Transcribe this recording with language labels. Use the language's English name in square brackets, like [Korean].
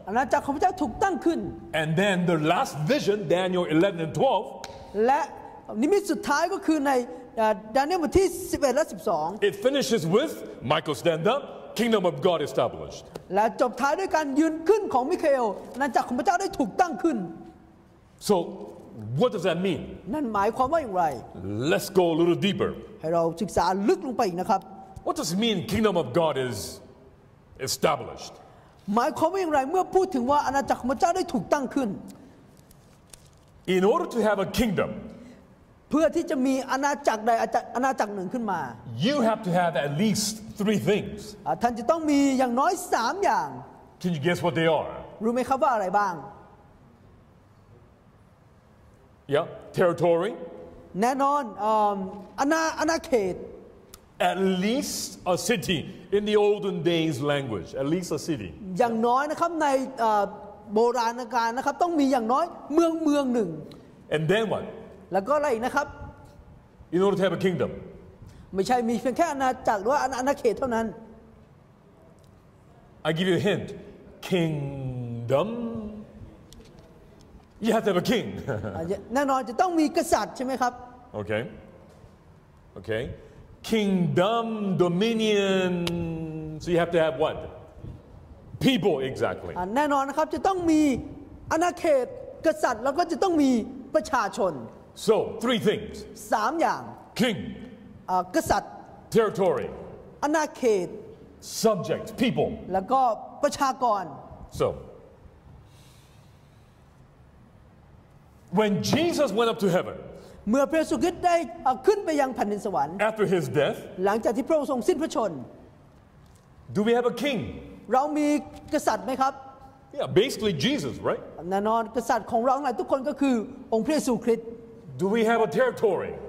[Thai] อาณาจักรของพระเจ้าถูกตั้งขึ้น [English] And then the last vision, Daniel 11 and 12. [Thai] และนิมิตสุดท้ายก็คือในดาเนียลบทที่11และ12. [English] It finishes with Michael stand up, Kingdom of God established. [Thai] และจบท้ายด้วยการยืนขึ้นของมิเคลอาณาจักรของพระเจ้าได้ถูกตั้งขึ้น [English] So, what does that mean? [Thai] นั่นหมายความว่าอย่างไร [English] Let's go a little deeper. [Thai] ให้เราศึกษาลึกลงไปอีกนะครับ [English] What does it mean kingdom of God is established? [Thai] หมายความว่าอย่างไรเมื่อพูดถึงว่าอาณาจักรของพระเจ้าได้ถูกตั้งขึ้น [English] In order to have a kingdom [Thai] เพื่อที่จะมีอาณาจักรใดอาณาจักรหนึ่งขึ้นมา [English] You have to have at least three things [Thai] ท่านจะต้องมีอย่างน้อย3อย่าง [English] Can you guess what they are? [Thai] รู้ไหมครับว่าอะไรบ้าง [English] Yeah, territory [Thai] แน่นอนอาณาเขต [English] At least a city in the olden days language. At least a city. [Thai] อย่างน้อยนะครับในโบราณกาลนะครับต้องมีอย่างน้อยเมืองหนึ่ง [English] And then what? [Thai] แล้วก็อะไรอีกนะครับ [English] In order to have a kingdom. [Thai] ไม่ใช่มีเพียงแค่อาณาจักรหรืออาณาเขตเท่านั้น [English] I give you a hint. Kingdom. You have to have a king. [Thai] แน่นอนจะต้องมีกษัตริย์ใช่ไหมครับ [English] Okay. Okay. Kingdom, dominion. So you have to have what? People, exactly. [Thai] แน่นอนนะครับจะต้องมีอาณาเขตกษัตริย์แล้วก็จะต้องมีประชาชน [English] So three things. [Thai] สามอย่าง [English] King. [Thai] กษัตริย์ [English] Territory. [Thai] อาณาเขต [English] Subject, people. [Thai] แล้วก็ประชากร [English] So when Jesus went up to heaven. [Thai] เมื่อพระเยซูคริสต์ได้ขึ้นไปยังแผ่นดินสวรรค์ [English] After his death [Thai] หลังจากที่พระองค์ทรงสิ้นพระชน [English] Do we have a king [Thai] เรามีกษัตริย์ไหมครับ [English] Yeah basically Jesus right [Thai] แน่นอนกษัตริย์ของเราทุกคนก็คือองค์พระเยซูคริสต์ [English] Do we have a territory